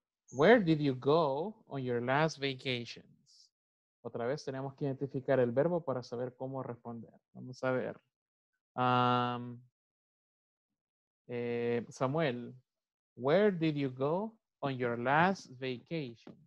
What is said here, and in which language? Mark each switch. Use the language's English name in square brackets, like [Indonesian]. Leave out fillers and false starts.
[English] Where did you go on your last vacations? [Spanish] Otra vez tenemos que identificar el verbo para saber cómo responder. Vamos a ver. [English] Samuel, where did you go on your last vacations?